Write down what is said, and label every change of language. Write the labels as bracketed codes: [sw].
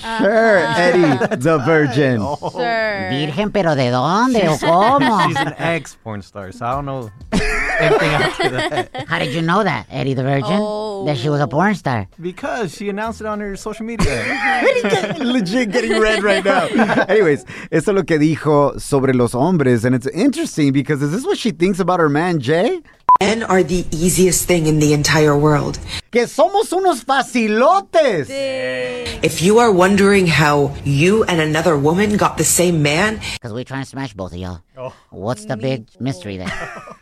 [en] Sure, Eddie the Virgin. Sure. [es] Virgen, pero de dónde o cómo? [en] She's an ex-porn star, so I don't know anything after that. How did you know that, Eddie the Virgin? Oh. That she was a porn star? Because she announced it on her social media. Legit getting red right now. [es] Anyways, eso es lo que dijo sobre los hombres. [en] And it's interesting because is this what she thinks about her man, Jay? Men are the easiest thing in the entire world. [es] Que somos unos facilotes. [en] If you are wondering how you and another woman got the same man. Because we're trying to smash both of y'all. Oh. What's the big mystery there?